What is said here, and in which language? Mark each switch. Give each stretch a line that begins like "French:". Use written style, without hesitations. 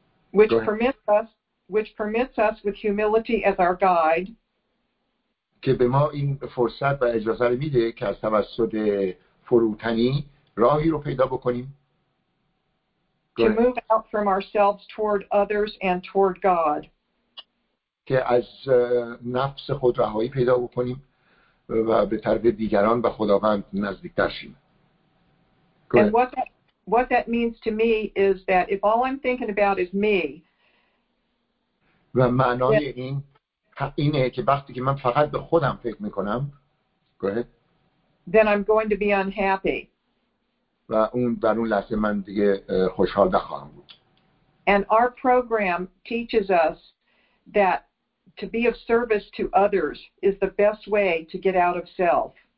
English: Which permits us with humility as our guide.
Persian: که به ما این فرصت و اجازه رو میده که از توسط فروتنی راهی رو پیدا بکنیم.
English: To move out from ourselves toward others and toward God.
Persian: که از نفس خود رهایی پیدا بکنیم و به طرف دیگران به خداوند نزدیکتر شیم.
English: And what that means to me is that if all I'm thinking about is me.
Persian: و معنای این اینه که وقتی که من فقط به خودم فکر میکنم،
English: go ahead. Then I'm going to be unhappy.
Persian: و اون در اون لحظه من دیگه خوشحال نخواهم بود.
English: And our program teaches us that to be of service to others is the best way to get out of self.